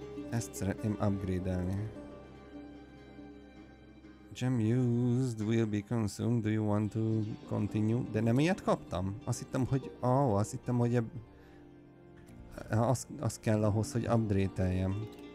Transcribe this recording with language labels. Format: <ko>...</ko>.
<hu>Ezt szeretném upgrade-elni.</hu> <en>Gem used will be consumed, do you want to continue?</en> <hu>De nem ilyet kaptam? Azt hittem, hogy az kell ahhoz, hogy upgrade-eljem.</hu>